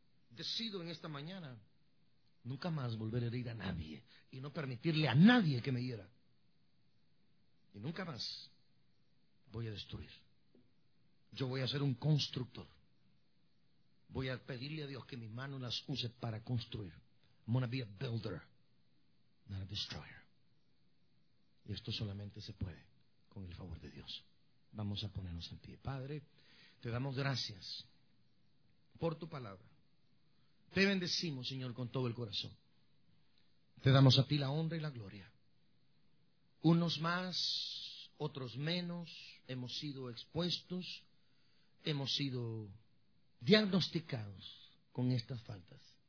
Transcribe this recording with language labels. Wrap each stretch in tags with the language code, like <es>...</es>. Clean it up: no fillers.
<es>Decido en esta mañana nunca más volver a herir a nadie y no permitirle a nadie que me hiera. Y nunca más voy a destruir. Yo voy a ser un constructor. Voy a pedirle a Dios que mis manos las use para construir.</es> <en>I'm going to be a builder, not a destroyer.</en> <es>Y esto solamente se puede con el favor de Dios. Vamos a ponernos en pie. Padre, Te damos gracias por tu palabra. Te bendecimos, Señor, con todo el corazón. Te damos a ti la honra y la gloria. Unos más, otros menos, hemos sido expuestos, hemos sido diagnosticados con estas faltas.</es>